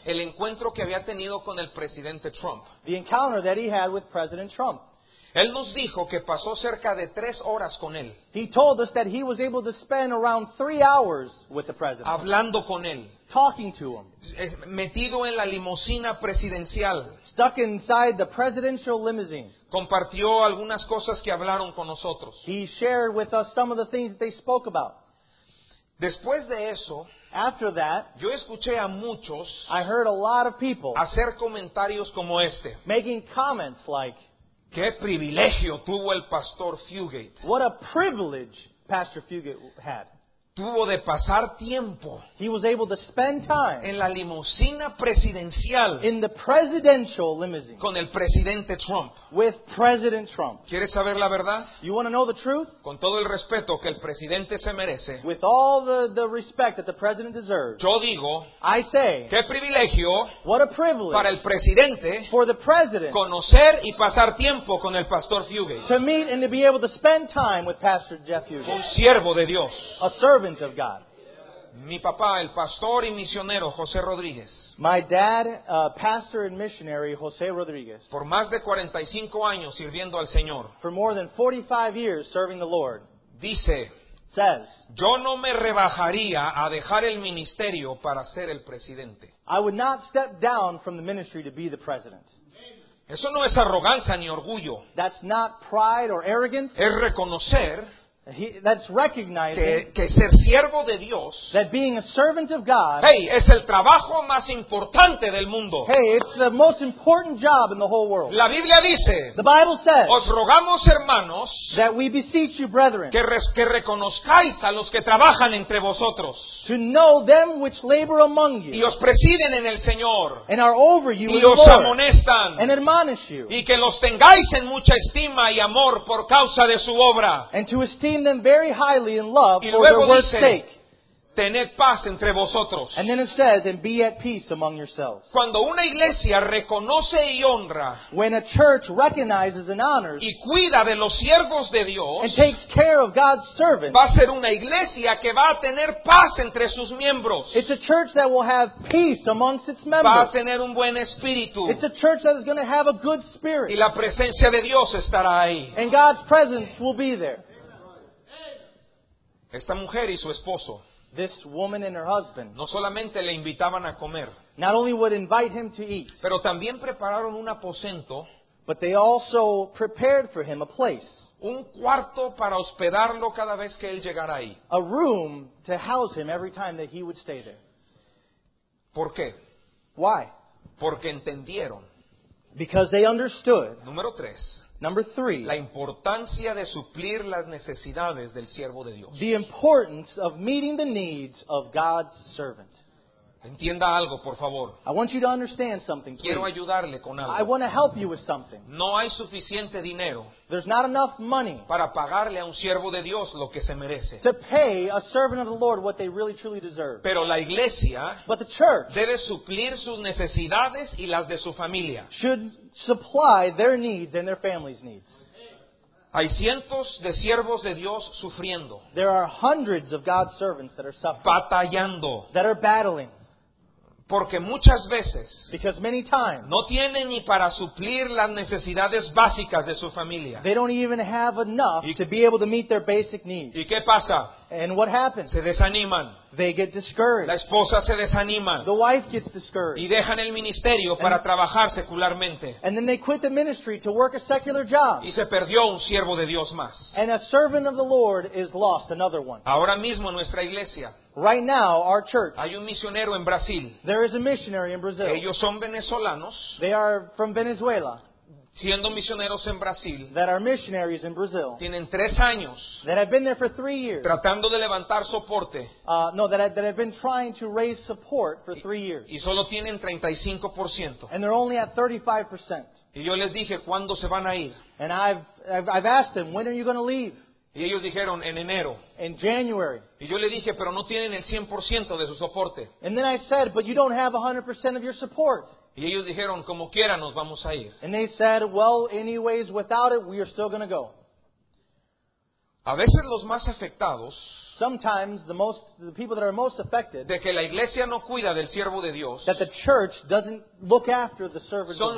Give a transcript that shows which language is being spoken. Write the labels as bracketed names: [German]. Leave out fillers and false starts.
[Spanish] el encuentro que había tenido con el presidente Trump, [English] the encounter that he had with President Trump. [Spanish] Él nos dijo que pasó cerca de 3 horas con él. [English] He told us that he was able to spend around 3 hours with the president. [Spanish] Hablando con él. [English] Talking to him. [Spanish] Metido en la limusina presidencial. [English] Stuck inside the presidential limousine. [Spanish] Compartió algunas cosas que hablaron con nosotros. [English] He shared with us some of the things that they spoke about. [Spanish] Después de eso, [English] after that, [Spanish] yo escuché a muchos, [English] I heard a lot of people, [Spanish] hacer comentarios como este. [English] Making comments like, [Spanish] ¿qué privilegio tuvo el pastor Fugate? [English] What a privilege Pastor Fugate had. [Spanish] Tuvo de pasar tiempo. [English] He was able to spend time [Spanish] en la limusina presidencial. [English] In the presidential limousine. [Spanish] Con el presidente Trump. [English] With President Trump. [Spanish] ¿Quieres saber la verdad? [English] You want to know the truth? [Spanish] Con todo el respeto que el presidente se merece. [English] With all the respect that the president deserves. [Spanish] Yo digo. [English] I say. [Spanish] Qué privilegio. [English] What a privilege. [Spanish] Para el presidente. [English] For the president. [Spanish] Conocer y pasar tiempo con el pastor Fugate. [English] To meet and to be able to spend time with Pastor Jeff Fugate. [Spanish] Un siervo de Dios. [English] A servant of God. [Spanish] Mi papá, el pastor y misionero José Rodríguez. [English] My dad, pastor and missionary José Rodríguez. [Spanish] Por más de 45 años sirviendo al Señor. [English] For more than 45 years serving the Lord. [Spanish] Dice, [English] says, [Spanish] yo no me rebajaría a dejar el ministerio para ser el presidente. [English] I would not step down from the ministry to be the president. [Spanish] Eso no es arrogancia ni orgullo. [English] That's not pride or arrogance. [Spanish] Es reconocer [English] that's recognizing [Spanish] que ser siervo de Dios, [English] that being a servant of God, [Spanish] hey, es el trabajo más importante del mundo. [English] Hey, it's the most important job in the whole world. [Spanish] La Biblia dice, [English] the Bible says, [Spanish] os rogamos, hermanos, [English] that we beseech you, brethren, [Spanish] que reconozcáis a los que trabajan entre vosotros, [English] to know them which labor among you, [Spanish] y os presiden en el Señor, [English] and are over you, [Spanish] y [English] in [Spanish] os [English] the Lord, [Spanish] amonestan, [English] and admonish you, [Spanish] y que los tengáis en mucha estima y amor por causa de su obra, [English] and to esteem them very highly in love [Spanish] y [English] for their work's sake. [Spanish] Tened paz entre vosotros. [English] And then it says, and be at peace among yourselves. [Spanish] Cuando una iglesia reconoce y honra, [English] when a church recognizes and honors, [Spanish] y cuida de los siervos de Dios, [English] and takes care of God's servants, [Spanish] va a ser una iglesia que va a tener paz entre sus miembros. [English] It's a church that will have peace amongst its members. [Spanish] Va a tener un buen espíritu. [English] It's a church that is going to have a good spirit. [Spanish] Y la presencia de Dios estará ahí. [English] And God's presence will be there. [Spanish] Esta mujer y su esposo, [English] this woman and her husband, [Spanish] no solamente le invitaban a comer, [English] not only would invite him to eat, [Spanish] pero también prepararon un aposento, [English] but they also prepared for him a place, [Spanish] un cuarto para hospedarlo cada vez que él llegara ahí, [English] a room to house him every time that he would stay there. [Spanish] ¿Por qué? [English] Why? [Spanish] Porque entendieron. [English] Because they understood. [Spanish] Número tres. [English] Number three, [Spanish] la importancia de suplir las necesidades del siervo de Dios. [English] The importance of meeting the needs of God's servant. [Spanish] Entienda algo, por favor. [English] I want you to understand something, please. [Spanish] Quiero ayudarle con algo. [English] I want to help you with something. [Spanish] No hay suficiente dinero. [English] There's not enough money. [Spanish] Para pagarle a un siervo de Dios lo que se merece. [English] To pay a servant of the Lord what they really truly deserve. [Spanish] Pero la iglesia. [English] But the church. [Spanish] Debe suplir sus necesidades y las de su familia. [English] Should supply their needs and their family's needs. [Spanish] Hay cientos de siervos de Dios sufriendo. [English] There are hundreds of God's servants that are suffering. [Spanish] Batallando. [English] That are battling. [Spanish] Porque muchas veces [English] because many times, [Spanish] no tienen ni para suplir las necesidades básicas de su familia. [English] They don't even have enough to be able to meet their basic needs. [Spanish] ¿Y qué pasa? [English] And what happens? [Spanish] Se desaniman. [English] They get discouraged. [Spanish] La esposa se desanima. [English] The wife gets discouraged. [Spanish] Y dejan el ministerio para trabajar secularmente. [English] And then they quit the ministry to work a secular job. [Spanish] Y se perdió un siervo de Dios más. [English] And a servant of the Lord is lost, another one. [Spanish] Ahora mismo nuestra iglesia. [English] Right now, our church. [Spanish] Hay un misionero en Brasil. [English] There is a missionary in Brazil. [Spanish] Ellos son venezolanos. [English] They are from Venezuela. [Spanish] Siendo misioneros en Brasil. [English] That are missionaries in Brazil. [Spanish] Tienen tres años. [English] That have been there for 3 years. [Spanish] Tratando de levantar soporte. [English] That have been trying to raise support for 3 years. [Spanish] Y solo tienen 35%. [English] And they're only at 35%. [Spanish] Y yo les dije, ¿cuándo se van a ir? [English] And I've asked them, when are you going to leave? [Spanish] Y ellos dijeron, en enero. [English] In January. [Spanish] Y yo le dije, pero no tienen el 100% de su soporte. [English] And then I said, but you don't have 100% of your support. [Spanish] Y ellos dijeron, como quiera nos vamos a ir. [English] And they said, well, anyways, without it, we are still going to go. [Spanish] A veces los más afectados. [English] Sometimes the people that are most affected. [Spanish] De que la iglesia no cuida del siervo de Dios. [English] That the church doesn't look after the servant of God.